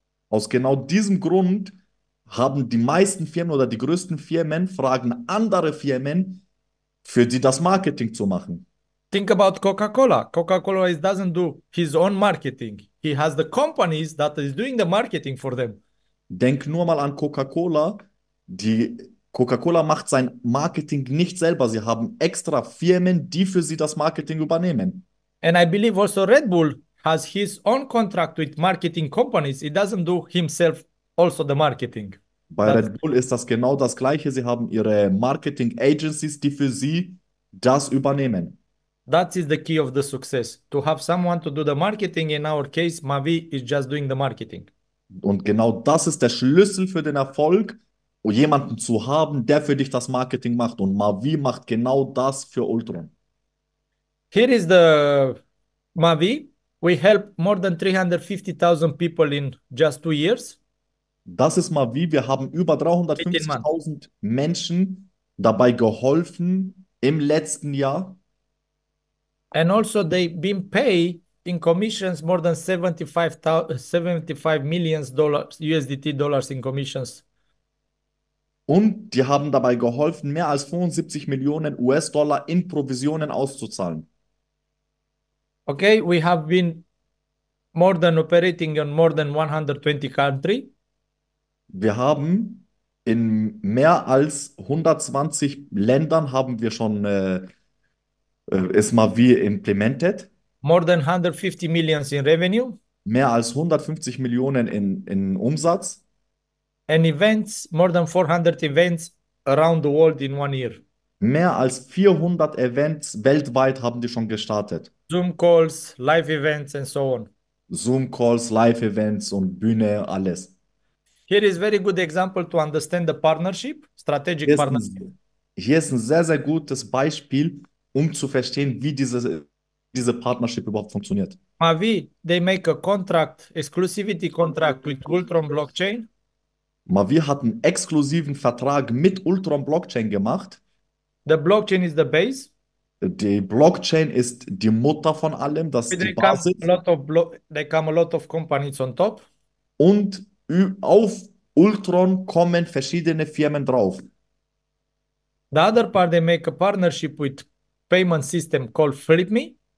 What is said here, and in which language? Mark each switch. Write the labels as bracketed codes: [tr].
[de] Aus genau diesem Grund haben die meisten Firmen oder die größten Firmen fragen andere Firmen, für sie das Marketing zu machen. [en] Think about Coca-Cola. Coca-Cola doesn't do his own marketing. He has the companies that is doing the marketing for them. [de] Denk nur mal an Coca-Cola. Die Coca-Cola macht sein Marketing nicht selber. Sie haben extra Firmen, die für sie das Marketing übernehmen. [en] And I believe also Red Bull has his own contract with marketing companies. He doesn't do himself also the marketing. [de] Bei Red Bull ist das genau das Gleiche. Sie haben ihre Marketing Agencies, die für sie das übernehmen. [en] That is the key of the success. To have someone to do the marketing. In our case, Mavi is just doing the marketing. [de] Und genau das ist der Schlüssel für den Erfolg, jemanden zu haben, der für dich das Marketing macht. Und Mavi macht genau das für Ultron. [en] Here is the Mavi. We help more than 350,000 people in just 2 years. [de] Das ist Mavi. Wir haben über 350,000 Menschen dabei geholfen im letzten Jahr. [en] And also they've been paid in commissions more than 75 million USD dollars in commissions. [de] Und die haben dabei geholfen, mehr als 75 Millionen US-Dollar in Provisionen auszuzahlen. [en] Okay, we have been more than operating in more than 120 countries. [de] Wir haben in mehr als 120 Ländern haben wir schon ist Mavi implemented. [en] More than 150 millions in revenue. [de] Mehr als 150 Millionen in Umsatz. [en] And events, more than 400 events around the world in 1 year. [de] Mehr als 400 Events weltweit haben die schon gestartet. [en] Zoom calls, live events and so on. [de] Zoom calls, live events und Bühne, alles. [en] Here is a very good example to understand the partnership, strategic partnership. [de] Hier ist ein sehr, sehr gutes Beispiel, um zu verstehen, wie diese Partnership überhaupt funktioniert. [en] Mavi, they make a contract, exclusivity contract with Ultron Blockchain. [de] Mavi hat einen exklusiven Vertrag mit Ultron Blockchain gemacht. [en] The blockchain is the base. [de] Die Blockchain ist die Mutter von allem, das ist die Basis. [en] They come a lot of companies on top. [de] Und auf Ultron kommen verschiedene Firmen drauf. [en] The other part, they make a partnership with payment system called FlipMe.